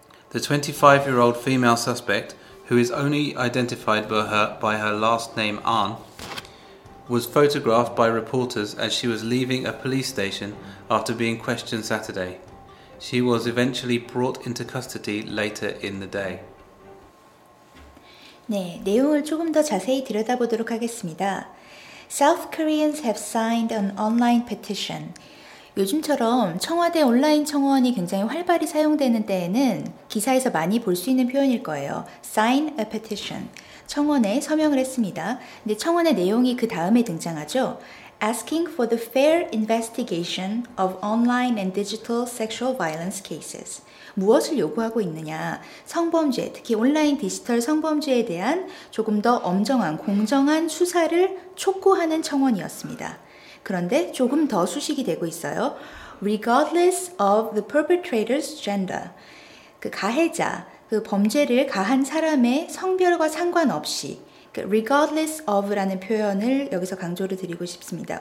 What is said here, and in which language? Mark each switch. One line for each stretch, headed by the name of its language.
English: The 25-year-old female suspect, who is only identified by her last name An, was photographed by reporters as she was leaving a police station after being questioned Saturday. She was eventually brought into custody later in the day.
Korean: 네, 내용을 조금 더 자세히 들여다보도록 하겠습니다.
English: South Koreans have signed an online petition.
Korean: 요즘처럼 청와대 온라인 청원이 굉장히 활발히 사용되는 때에는 기사에서 많이 볼 수 있는 표현일 거예요.
English: Sign a petition.
Korean: 청원에 서명을 했습니다. 근데 청원의 내용이 그 다음에 등장하죠.
English: Asking for the fair investigation of online and digital sexual violence cases.
Korean: 무엇을 요구하고 있느냐? 성범죄, 특히 온라인 디지털 성범죄에 대한 조금 더 엄정한, 공정한 수사를 촉구하는 청원이었습니다. 그런데 조금 더 수식이 되고 있어요.
English: Regardless of the perpetrator's gender.
Korean: 그 가해자, 그 범죄를 가한 사람의 성별과 상관없이 regardless of라는 표현을 여기서 강조를 드리고 싶습니다.